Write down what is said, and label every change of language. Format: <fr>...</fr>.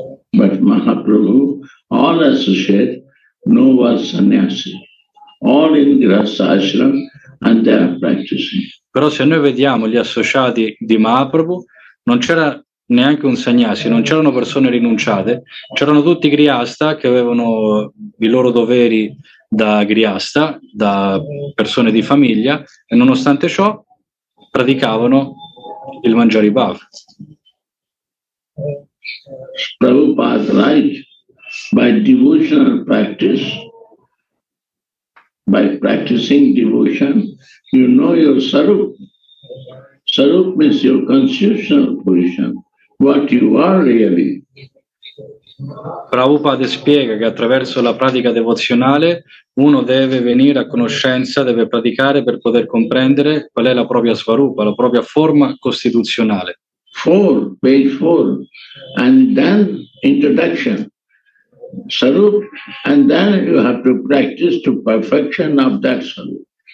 <en>But Mahaprabhu, all associate, no one sannyasi, all in grassa ashram and they are practicing.</en> <it>Però se noi vediamo gli associati di Mahaprabhu, non c'era neanche un sannyasi, non c'erano persone rinunciate, c'erano tutti griasta che avevano i loro doveri da griasta, da persone di famiglia, e nonostante ciò praticavano il Manjari Bhav.</it> <en>Prabhupada write, by devotional practice, by practicing devotion, you know your sarup. Sarup means your constitutional position, what you are really.</en> <it>Prabhupada spiega che attraverso la pratica devozionale uno deve venire a conoscenza, deve praticare per poter comprendere qual è la propria svarupa, la propria forma costituzionale.</it> <en>Four, page four, and then introduction. Sarup, and then you have to practice to perfection of that sarup.</en>